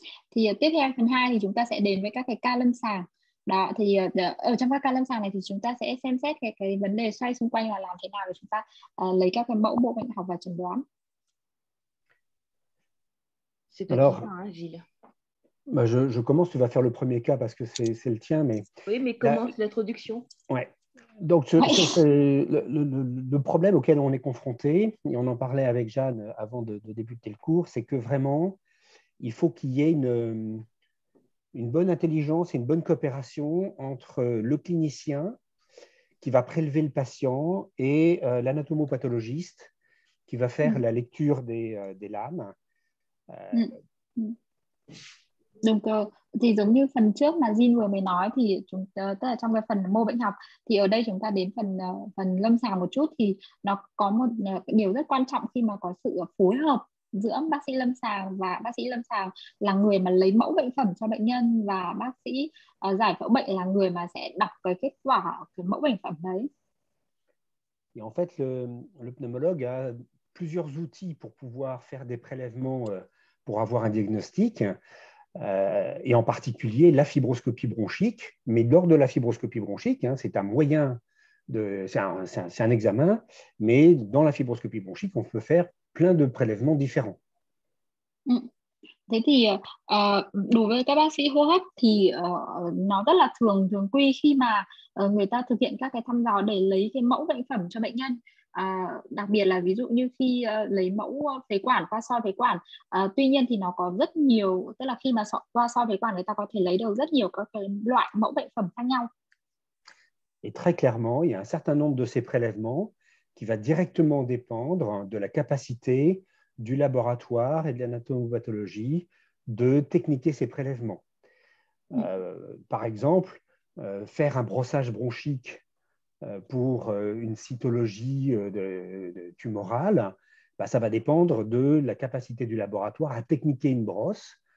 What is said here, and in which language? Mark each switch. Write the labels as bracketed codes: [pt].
[vi] Thì tiếp theo phần 2 thì chúng ta sẽ đến với các cái ca lâm sàng. Đó, thì ở trong các ca lâm sàng này thì chúng ta sẽ xem xét cái vấn đề xoay xung quanh là làm thế nào để chúng ta lấy các cái mẫu bộ bệnh học và chẩn đoán. [fr] C'est toi qui Alors, parles, hein, Gilles. je commence, tu vas faire le premier cas parce que c'est le tien, mais Oui, mais là, commence l'introduction. ouais. Donc, Oui. le problème auquel on est confronté, et on en parlait avec Jeanne avant de débuter le cours, c'est que vraiment, il faut qu'il y ait une bonne intelligence et une bonne coopération entre le clinicien qui va prélever le patient et l'anatomopathologiste qui va faire la lecture des lames. [vi] Donc, thì giống như phần trước mà Jin vừa mới nói thì chúng ta, tức là trong cái phần mô bệnh học thì ở đây chúng ta đến phần phần lâm sàng một chút thì nó có một điều rất quan trọng khi mà có sự phối hợp giữa bác sĩ lâm sàng và bác sĩ lâm sàng là người mà lấy mẫu bệnh phẩm cho bệnh nhân và bác sĩ giải phẫu bệnh là người mà sẽ đọc cái kết quả cái mẫu bệnh phẩm đấy. [fr] Et en fait, le pneumologue a plusieurs outils pour pouvoir faire des prélèvements pour avoir un diagnostic. Et en particulier la fibroscopie bronchique, mais lors de la fibroscopie bronchique, hein, c'est un examen, mais dans la fibroscopie bronchique, on peut faire plein de prélèvements différents. [vi] Thế thì đối với các bác sĩ hô hấp thì nó rất là thường quy khi mà người ta thực hiện các cái thăm dò để lấy cái mẫu bệnh phẩm cho bệnh nhân. Đặc biệt là ví dụ như khi lấy mẫu phế quản qua soi phế quản, tuy nhiên thì nó có rất nhiều, tức là khi mà qua soi phế quản người ta có thể lấy được rất nhiều các cái loại mẫu bệnh phẩm khác nhau. [fr] Et très clairement, il y a un certain nombre de ces prélèvements qui va directement dépendre de la capacité du laboratoire et de l'anatomopathologie de techniquer ces prélèvements. Par exemple, faire un brossage bronchique pour une cytologie de tumorale, bah, ça va dépendre de la capacité du laboratoire à techniquer une brosse.